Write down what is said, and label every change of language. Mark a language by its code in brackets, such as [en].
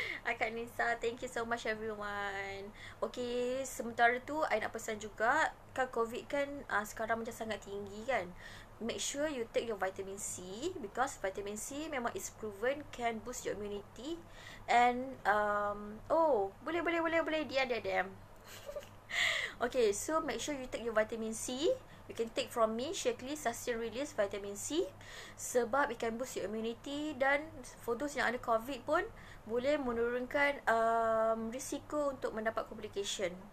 [ms] Akak Nisa, [en] thank you so much everyone. [ms] Okay, sementara tu I nak pesan juga, kan COVID kan sekarang macam sangat tinggi kan. [en] Make sure you take your vitamin C, because vitamin C memang is proven can boost your immunity. And oh, [ms] boleh boleh boleh boleh dia ada DM. [en] Okay, so make sure you take your vitamin C. You can take from me, Shaklee Sustain Release Vitamin C, sebab it can boost your immunity. [ms] Dan [en] for those [ms] yang ada COVID pun boleh menurunkan risiko untuk mendapat complication.